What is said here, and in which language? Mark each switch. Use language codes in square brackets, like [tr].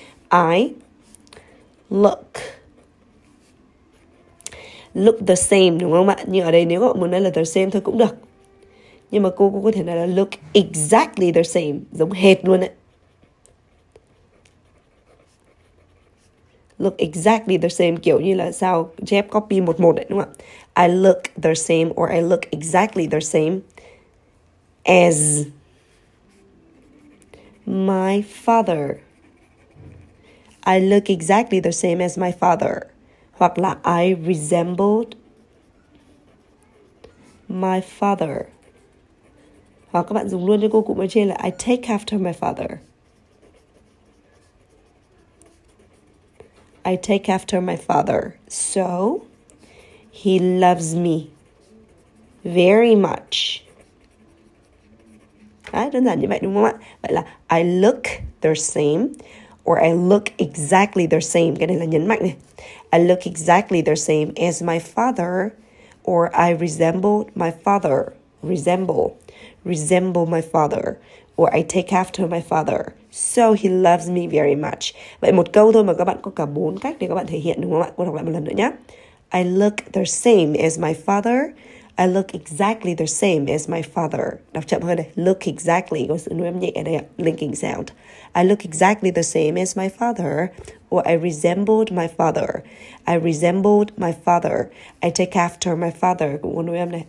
[en] I look look the same [vi] đúng không ạ? Nhưng ở đây nếu các bạn muốn nói là [en] the same [vi] thôi cũng được. Nhưng mà cô có thể nói là [en] look exactly the same, [vi] giống hệt luôn ấy. [en] Look exactly the same [vi] kiểu như là sao chép copy 1:1 đấy đúng không ạ? [en] I look the same or I look exactly the same as my father. I look exactly the same as my father. [vi] Hoặc là [en] I resembled my father. [vi] Hoặc các bạn dùng luôn cho cô cụm ở trên là [en] I take after my father. I take after my father. So, he loves me very much. [vi] À, đơn giản như vậy đúng không ạ? [en] Vậy là I look the same or I look exactly the same. [vi] Cái này là nhấn mạnh này. [en] I look exactly the same as my father or I resemble my father. Resemble. Resemble my father. Or I take after my father. So he loves me very much. [vi] Vậy một câu thôi mà các bạn có cả bốn cách để các bạn thể hiện đúng không ạ? Cô đọc lại một lần nữa nhé. [en] I look the same as my father. I look exactly the same as my father. [vi] Đọc chậm hơn này. [en] Look exactly. [vi] Có sự nuôi âm nhẹ ở đây ạ. [en] Linking sound. I look exactly the same as my father. Or I resembled my father. I resembled my father. I take after my father. [vi] Có nuôi âm này.